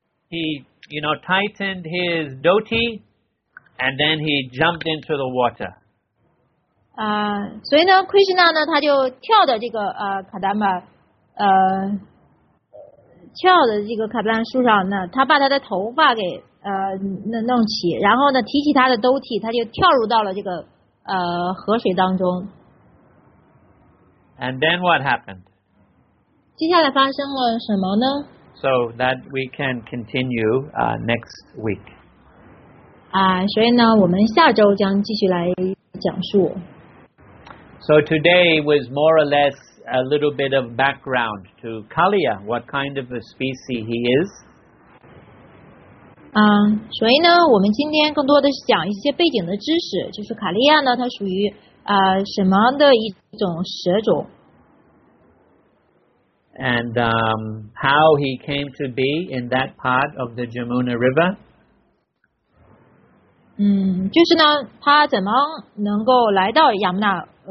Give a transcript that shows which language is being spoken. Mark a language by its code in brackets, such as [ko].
[en] He tightened his dhoti, and then he jumped into the water. [zh] 所以呢 ，Krishna 呢，他就跳的这个卡达玛，跳的这个卡达玛树上呢，他把他的头发给弄起，然后呢，提起他的兜体，他就跳入到了这个河水当中。 [en] And then what happened? [zh] 接下来发生了什么呢 [en] ？So that we can continue next week. [zh] 所以呢，我们下周将继续来讲述。 [en] So today was more or less a little bit of background to Kalia, what kind of a species he is. [zh] 所以呢，我们今天更多的是讲一些背景的知识，就是卡利亚呢，它属于什么的一种蛇种。 [en] And how he came to be in that part of the Jamuna River. [zh] 就是呢，他怎么能够来到亚穆纳